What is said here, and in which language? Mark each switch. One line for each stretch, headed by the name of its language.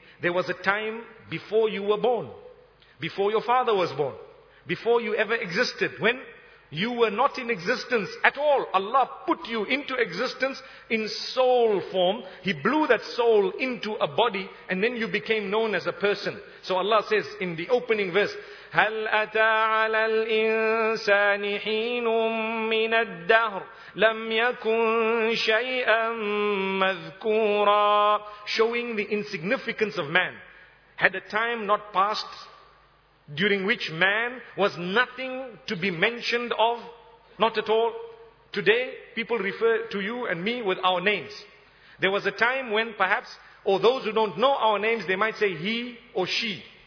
English: There was a time before you were born, before your father was born, before you ever existed, when you were not in existence at all. Allah put you into existence in soul form. He blew that soul into a body and then you became known as a person. So Allah says in the opening verse,
Arabic: هَلْ أَتَى عَلَى الْإِنسَانِ حِينٌ مِّنَ الدَّهْرِ لَمْ يَكُنْ شَيْئًا مَذْكُورًا.
English: Showing the insignificance of man. Had a time not passed during which man was nothing to be mentioned of, not at all. Today, people refer to you and me with our names. There was a time when perhaps, or those who don't know our names, they might say he or she.